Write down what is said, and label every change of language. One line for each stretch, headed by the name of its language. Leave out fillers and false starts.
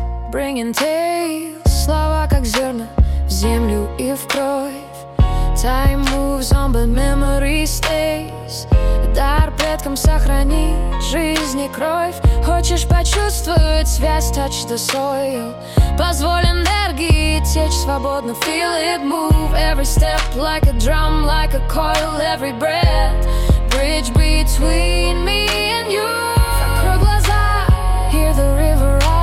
English: Bringing tales,
Russian: слова как зерна в землю и в кровь.
English: Time moves on, but memory stays.
Russian: Дар предкам сохранить жизнь и кровь. Хочешь почувствовать связь,
English: touch the soil.
Russian: Позволь энергии течь свободно.
English: Feel it move, every step like a drum, like a coil. Every breath, bridge between me and you.
Russian: Закрой глаза,
English: hear the river.